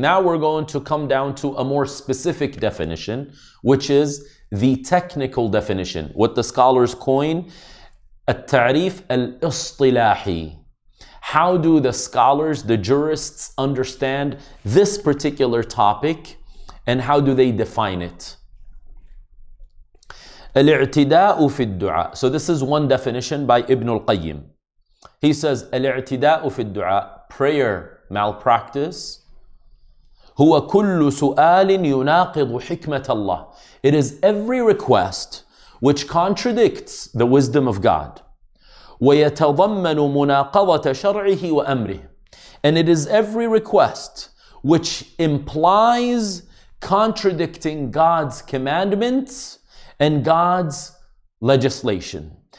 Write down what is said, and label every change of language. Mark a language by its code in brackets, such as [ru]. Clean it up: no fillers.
[en] Now we're going to come down to a more specific definition, which is the technical definition, what the scholars coin, [ar] التعريف الاصطلاحي. [en] How do the scholars, the jurists, understand this particular topic, and how do they define it? [ar] الاعتداء في الدعاء. [en] So this is one definition by Ibn al-Qayyim. He says, [ar] الاعتداء في الدعاء, [en] prayer malpractice, [ar] هو كل سؤال يناقض حكمة الله. [en] It is every request which contradicts the wisdom of God. [ar] ويتضمن مناقضة شرعه وأمره. [en] And it is every request which implies contradicting God's commandments and God's legislation.